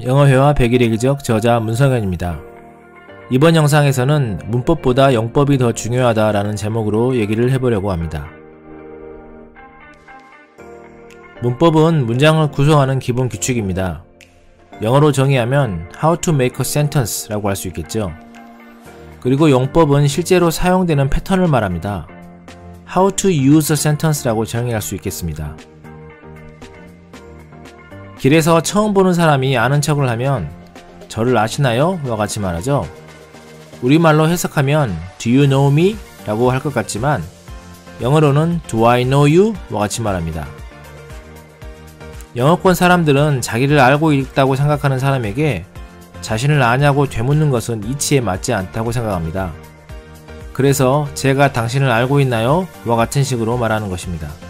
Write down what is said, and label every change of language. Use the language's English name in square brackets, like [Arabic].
[Korean] 영어회화 100일 일기적 저자 문성현입니다. 이번 영상에서는 문법보다 영법이 더 중요하다라는 제목으로 얘기를 해보려고 합니다. 문법은 문장을 구성하는 기본 규칙입니다. 영어로 정의하면 [English] How to make a sentence [Korean] 라고 할수 있겠죠. 그리고 영법은 실제로 사용되는 패턴을 말합니다. [English] How to use a sentence [Korean] 라고 정의할 수 있겠습니다. 길에서 처음 보는 사람이 아는 척을 하면 저를 아시나요? 와 같이 말하죠. 우리말로 해석하면 [English] Do you know me? [Korean] 라고 할것 같지만 영어로는 [English] Do I know you? [Korean] 와 같이 말합니다. 영어권 사람들은 자기를 알고 있다고 생각하는 사람에게 자신을 아냐고 되묻는 것은 이치에 맞지 않다고 생각합니다. 그래서 제가 당신을 알고 있나요? 와 같은 식으로 말하는 것입니다.